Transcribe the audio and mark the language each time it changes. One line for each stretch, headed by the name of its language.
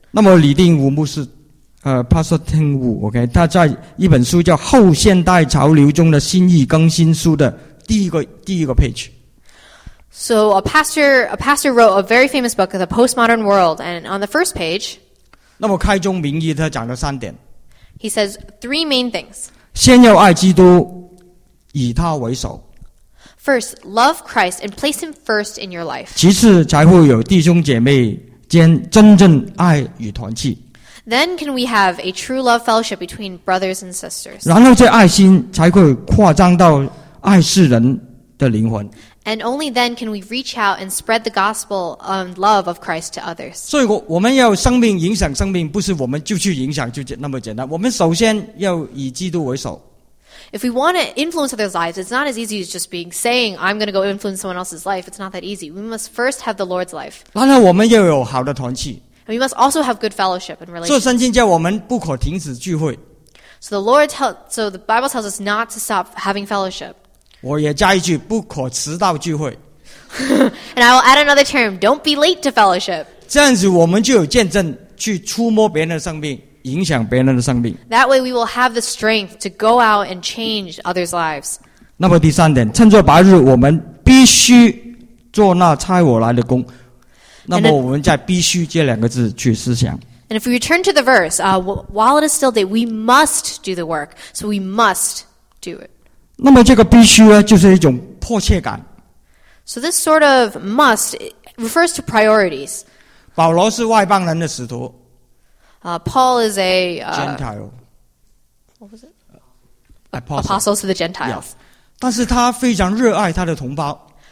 Chinese: 那么李定武牧师，
English: Pastor Ting Wu, OK,
Chinese: 他在一本书叫《后现代潮流中的新意更新书》的第一个 page。
English: So a pastor wrote a very famous book, The Postmodern World, and on the first page.
Chinese: 那么开宗明义，他讲了三点。
English: He says three main things.
Chinese: 先要爱基督，以他为首。
English: First, love Christ and place him first in your life.
Chinese: 其次才会有弟兄姐妹间真正爱与团契。
English: Then can we have a true love fellowship between brothers and sisters.
Chinese: 然后这爱心才会扩张到爱世人的灵魂。
English: And only then can we reach out and spread the gospel of love of Christ to others.
Chinese: 所以我们要生命影响生命，不是我们就去影响就那么简单。我们首先要以基督为首。
English: If we want to influence others' lives, it's not as easy as just being saying, I'm going to go influence someone else's life. It's not that easy. We must first have the Lord's life.
Chinese: 然后我们要有好的团契。
English: And we must also have good fellowship and relationship.
Chinese: 所以圣经叫我们不可停止聚会。
English: So the Bible tells us not to stop having fellowship.
Chinese: 我也加一句，不可迟到聚会。
English: And I will add another term, don't be late to fellowship.
Chinese: 这样子我们就有见证去触摸别人的生命，影响别人的生命。
English: That way we will have the strength to go out and change others' lives.
Chinese: 那么第三点，趁着白日我们必须做那差我来的工。那么我们再必须这两个字去思想。
English: And if we return to the verse, while it is still day, we must do the work. So we must do it.
Chinese: 那么这个必须呢，就是一种迫切感。
English: So this sort of must refers to priorities.
Chinese: 保罗是外邦人的使徒。
English: Paul is a Gentile. What was it? Apostle to the Gentiles. Yeah.
Chinese: 但是他非常热爱他的同胞。